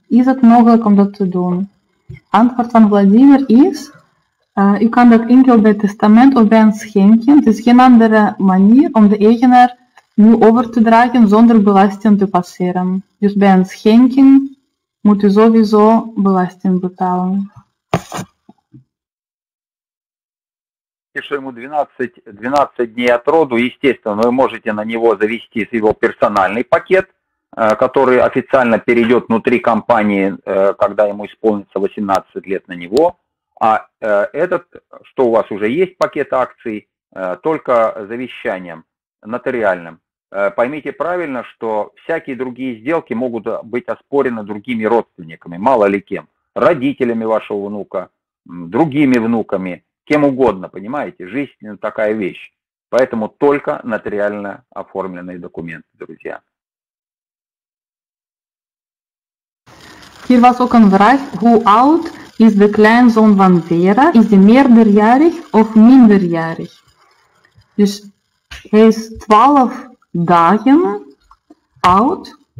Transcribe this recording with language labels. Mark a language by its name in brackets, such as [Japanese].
[Dutch] Is het mogelijk om dat te doen? Antwoord van Vladimir is, u kan dat enkel bij het testament of bij een schenking. Het is geen andere manier om de eigenaar nu over te dragen zonder belasting te passeren. Dus bij een schenking moet u sowieso belasting betalen. [Russian] Пишу ему 12 дней от роду, естественно, вы можете на него завести его персональный пакет, который официально перейдет внутри компании, когда ему исполнится 18 лет на него. А этот, что у вас уже есть пакет акций, только завещанием, нотариальным. Поймите правильно, что всякие другие сделки могут быть оспорены другими родственниками, мало ли кем, родителями вашего внука, другими внуками, кем угодно, понимаете, жизнь такая вещь. Поэтому только нотариально оформленные документы, друзья. [Dutch] Hier was ook een vraag, hoe oud is de kleinzoon van Vera? Is hij meerderjarig of minderjarig? Dus hij is 12 dagen oud.